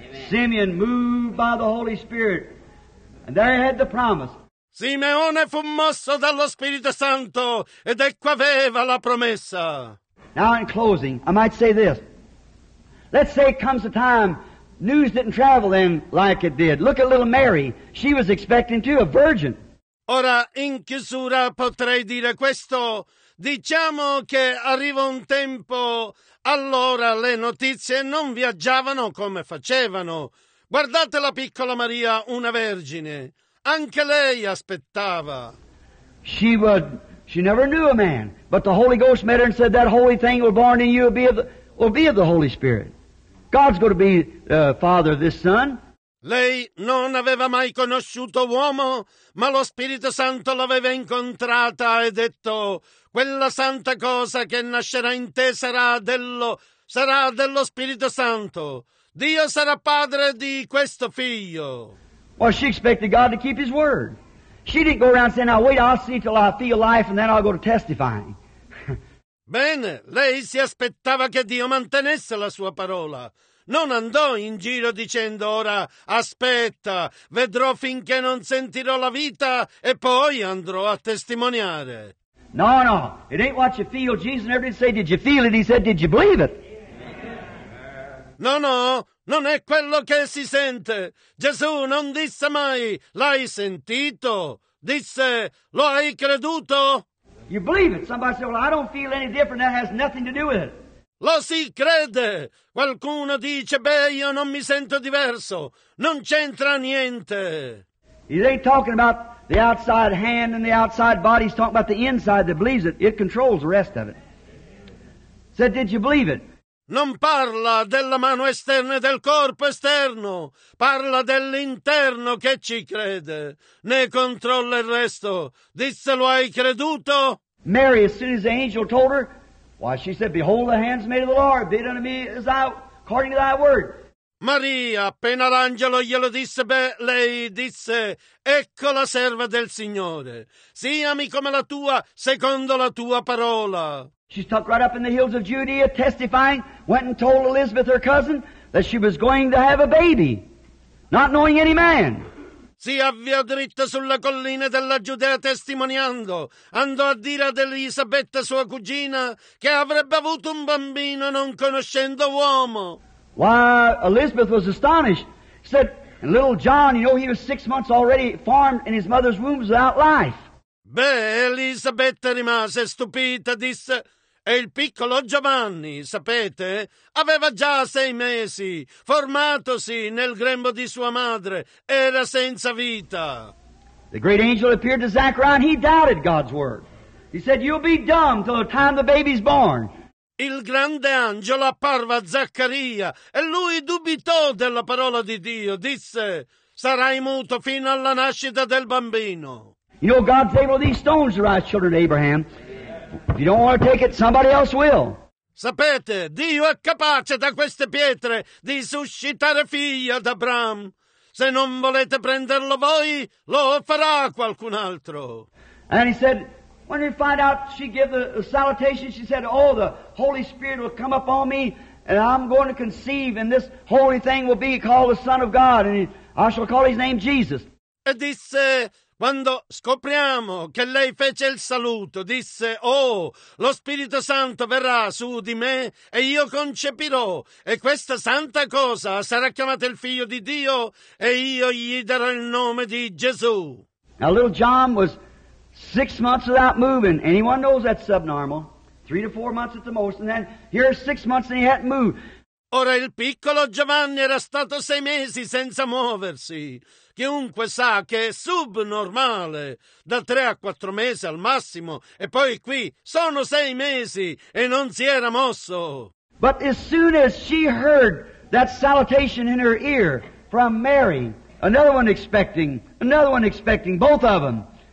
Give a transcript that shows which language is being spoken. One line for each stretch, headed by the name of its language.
English: Simeon moved by the Holy Spirit, and there he had the promise.
Italian: Simeone fu mosso dallo Spirito Santo, ed ecco aveva la promessa.
English: Now in closing, I might say this. Let's say it comes a time, news didn't travel then like it did. Look at little Mary, she was expecting too, a virgin.
Italian: Ora in chiusura potrei dire questo. Diciamo che arriva un tempo, allora le notizie non viaggiavano come facevano. Guardate la piccola Maria, una vergine. Anche lei aspettava.
English: She never knew a man, but the Holy Ghost met her and said, that holy thing will be born in you will be of the Holy Spirit. God's going to be the father of this son.
Italian: Lei non aveva mai conosciuto uomo, ma lo Spirito Santo l'aveva incontrata e detto, quella santa cosa che nascerà in te sarà dello Spirito Santo. Dio sarà padre di questo figlio.
English: Well, she expected God to keep his word. She didn't go around saying, now wait, I'll see till I feel life and then I'll go to testifying.
Italian: Bene, lei si aspettava che Dio mantenesse la sua parola. Non andò in giro dicendo, ora aspetta, vedrò finché non sentirò la vita e poi andrò a testimoniare.
English: No, no, it ain't what you feel. Jesus never did say, did you feel it? He said, did you believe it?
Italian: No, no, non è quello che si sente. Gesù non disse mai, l'hai sentito? Disse, lo hai creduto?
English: You believe it. Somebody said, well, I don't feel any different. That has nothing to do with it.
Italian: Lo si crede. Qualcuno dice, beh, io non mi sento diverso. Non c'entra niente.
English: He's ain't talking about the outside hand and the outside body. He's talking about the inside that believes it. It controls the rest of it. Said, did you believe it?
Italian: Non parla della mano esterna e del corpo esterno. Parla dell'interno che ci crede. Ne controlla il resto. Disse, lo hai creduto?
English: Mary, as soon as the angel told her, why, she said, behold, the handmaid of the Lord, be it unto me according to thy word.
Italian: Maria, appena l'angelo glielo disse, beh, lei disse: ecco la serva del Signore, siami come la tua, secondo la tua parola.
English: She stuck right up in the hills of Judea, testifying, went and told Elizabeth, her cousin, that she was going to have a baby, not knowing any man.
Italian: Si avviò dritta sulla collina della Giudea testimoniando, andò a dire ad Elisabetta, sua cugina, che avrebbe avuto un bambino non conoscendo uomo.
English: Why, Elizabeth was astonished. She said, and little John, you know, he was 6 months already formed in his mother's womb without life.
Italian: Beh, Elisabetta rimase stupita, disse, e il piccolo Giovanni, sapete, aveva già 6 mesi, formatosi nel grembo di sua madre, era senza vita.
English: The great angel appeared to Zachariah and he doubted God's word. He said, you'll be dumb till the time the baby's born.
Italian: Il grande angelo apparve a Zaccaria e lui dubitò della parola di Dio. Disse, sarai muto fino alla nascita del bambino.
English: You know, God's able these stones to rise, children of Abraham. If you don't want to take it, somebody else will.
Italian: Sapete, Dio è capace da queste pietre di suscitare figli ad Abramo. Se non volete prenderlo voi, lo farà qualcun altro.
English: And he said, when you find out, she gave the salutation, she said, oh, the Holy Spirit will come upon me, and I'm going to conceive, and this holy thing will be called the Son of God, and I shall call his name Jesus.
Italian: E disse, quando scopriamo che lei fece il saluto, disse, oh, lo Spirito Santo verrà su di me, e io concepirò, e questa santa cosa sarà chiamata il Figlio di Dio, e io gli darò il nome di Gesù.
English: Now, little John was 6 months without moving. Anyone knows that's subnormal. 3 to 4 months at the most. And then here's 6 months and he hadn't moved.
Italian: Ora il piccolo Giovanni era stato 6 mesi senza muoversi. Chiunque sa che è subnormale. Da 3 a 4 mesi al massimo. E poi qui sono 6 mesi e non si era mosso.
English: But as soon as she heard that salutation in her ear from Mary, another one expecting, both of them.